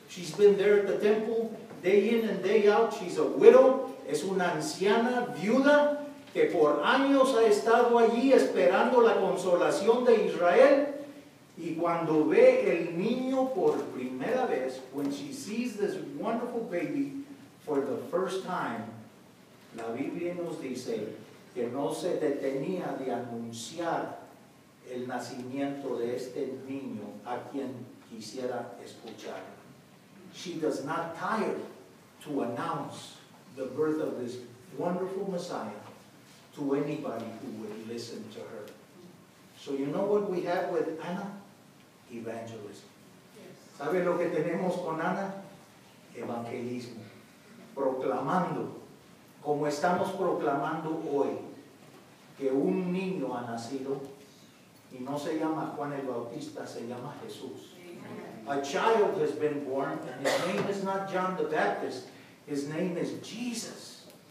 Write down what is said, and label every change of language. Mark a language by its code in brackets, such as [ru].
[en] She's been there at the temple day in and day out. She's a widow. [es] Es una anciana viuda que por años ha estado allí esperando la consolación de Israel. Y cuando ve el niño por primera vez, [en] when she sees this wonderful baby, for the first time, [es] la Biblia nos dice que no se detenía de anunciar el nacimiento de este niño a quien quisiera escuchar. [en] She does not tire to announce the birth of this wonderful Messiah to anybody who would listen to her. So you know what we have with Anna? Evangelism. Yes. [es] ¿Sabe lo que tenemos con Ana? Evangelismo. Proclamando como estamos proclamando hoy que un niño ha nacido y no se llama Juan el Bautista, se llama Jesús. [en] A child has been born and his name is not John the Baptist, his name is Jesus.